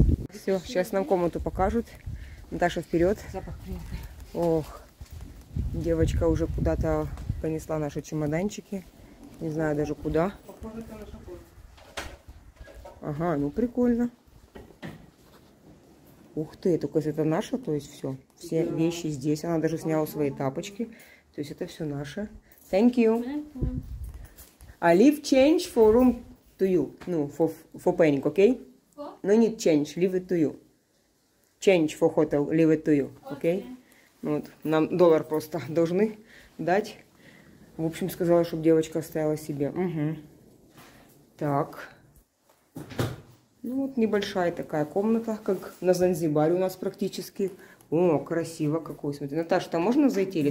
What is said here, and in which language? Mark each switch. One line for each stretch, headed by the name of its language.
Russian: Все, сейчас нам комнату покажут. Наташа, вперед. Ох, девочка уже куда-то понесла наши чемоданчики. Не знаю даже куда. Ага, ну прикольно. Ух ты, только это наше, то есть все. Все вещи здесь. Она даже сняла свои тапочки. То есть это все наше.
English: Thank you. I leave change for room to you. Ну, for paying, okay? No need change, leave it to you. Change for hotel, leave it to you, okay?
Russian: Вот, нам доллар просто должны дать. В общем, сказала, чтобы девочка оставила себе. Угу. Так. Ну вот, небольшая такая комната, как на Занзибаре у нас практически. О, красиво какой, смотри. Наташа, там можно зайти или